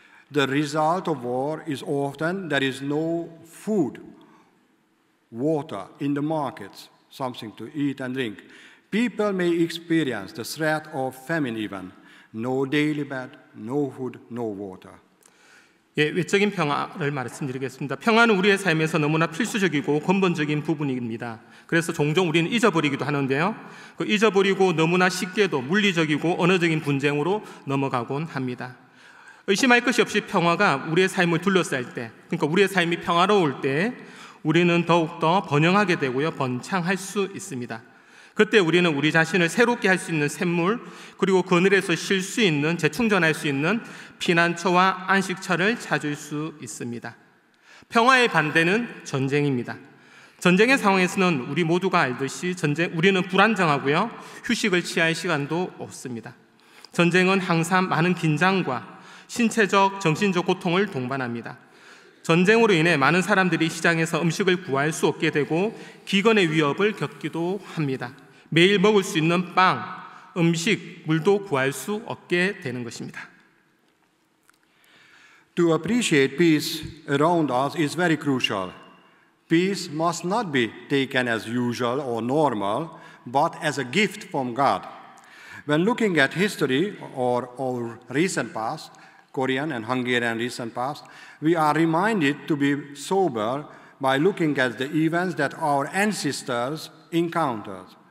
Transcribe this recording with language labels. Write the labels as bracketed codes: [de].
[en] The result of war is often there is no food, water in the markets, something to eat and drink. People may experience the threat of famine even. No daily bed, no food, no water. [ko] 예, 외적인 평화를 말씀드리겠습니다. 평화는 우리의 삶에서 너무나 필수적이고 근본적인 부분입니다. 그래서 종종 우리는 잊어버리기도 하는데요. 그 잊어버리고 너무나 쉽게도 물리적이고 언어적인 분쟁으로 넘어가곤 합니다. 의심할 것이 없이 평화가 우리의 삶을 둘러쌀 때, 그러니까 우리의 삶이 평화로울 때 우리는 더욱더 번영하게 되고요. 번창할 수 있습니다. 그때 우리는 우리 자신을 새롭게 할 수 있는 샘물, 그리고 그늘에서 쉴 수 있는, 재충전할 수 있는 피난처와 안식처를 찾을 수 있습니다. 평화의 반대는 전쟁입니다. 전쟁의 상황에서는 우리 모두가 알듯이 전쟁 우리는 불안정하고요. 휴식을 취할 시간도 없습니다. 전쟁은 항상 많은 긴장과 신체적, 정신적 고통을 동반합니다. 전쟁으로 인해 많은 사람들이 시장에서 음식을 구할 수 없게 되고 기건의 위협을 겪기도 합니다. 매일 먹을 수 있는 빵, 음식, 물도 구할 수 없게 되는 것입니다. [en] To appreciate peace around us is very crucial. Peace must not be taken as usual or normal, but as a gift from God. When looking at history or our recent past, Korean and Hungarian recent past, we are reminded to be sober by looking at the events that our ancestors encountered.